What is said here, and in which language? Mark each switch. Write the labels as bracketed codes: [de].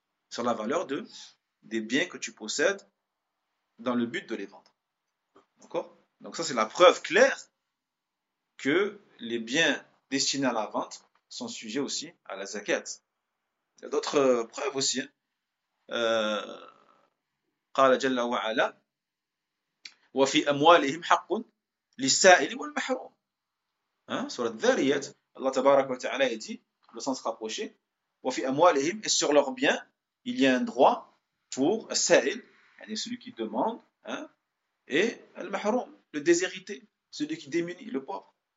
[fr] Sur la valeur de des biens que tu possèdes dans le but de les vendre. D'accord? Donc ça, c'est la preuve claire que les biens destinés à la vente sont sujets aussi à la zakat. Il y a d'autres preuves aussi. [ar] قال جل وعلا وفي أموالهم حق للسائل والمحروم. [fr] Sourate Dhariyat, Allah [ar] tabarak wa ta'ala [fr] a dit, le sens rapproché, [ar] وفي أموالهم, [fr] et sur leurs biens, il y a un droit pour Sa'il, celui qui demande, hein, et Al-Mahroum, le déshérité, celui qui démunit, le pauvre.